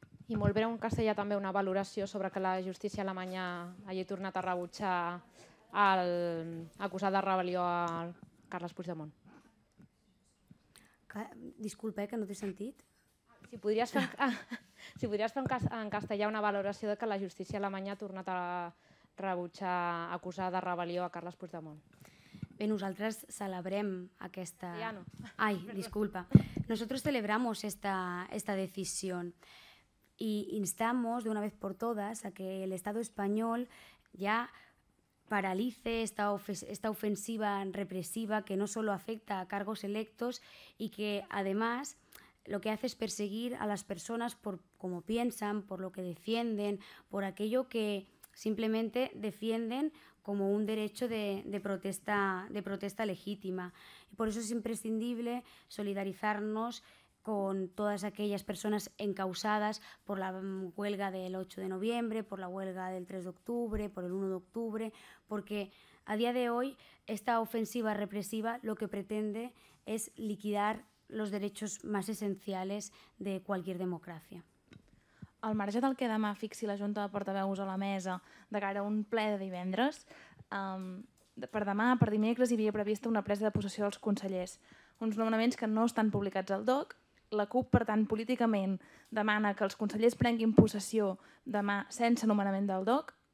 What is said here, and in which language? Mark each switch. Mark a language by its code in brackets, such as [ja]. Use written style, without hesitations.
[ca] I molt breu, en castellà també una valoració sobre que la justícia alemanya hagi tornat a rebutjar l'acusat de rebel·lió a Carles Puigdemont. Disculpa, que no té sentit. Si podries fer en castellà una valoració de que la justícia alemanya ha tornat a rebutjar acusar de rebel·lió a Carles Puigdemont. Bé, nosaltres celebrem aquesta... Ja no. Ai, disculpa. [es] Nosotros celebramos esta decisión y instamos de una vez por todas a que el Estado español ya paralice esta ofensiva represiva que no solo afecta a cargos electos y que además lo que hace es perseguir a las personas por cómo piensan, por lo que defienden, por aquello que simplemente defienden como un derecho de protesta legítima. Y por eso es imprescindible solidarizarnos con todas aquellas personas encausadas por la huelga del 8 de noviembre, por la huelga del 3 de octubre, por el 1 de octubre, porque a día de hoy esta ofensiva represiva lo que pretende es liquidar los derechos más esenciales de cualquier democracia. [ca] Al marge del que demà fixi la Junta de Portaveus a la mesa de cara a un ple de divendres, per demà, per dimecres, hi havia prevista una presa de possessió dels consellers, uns nomenaments que no estan publicats al DOC. La CUP, per tant, políticament demana que els consellers prenguin possessió demà sense nomenament del DOC.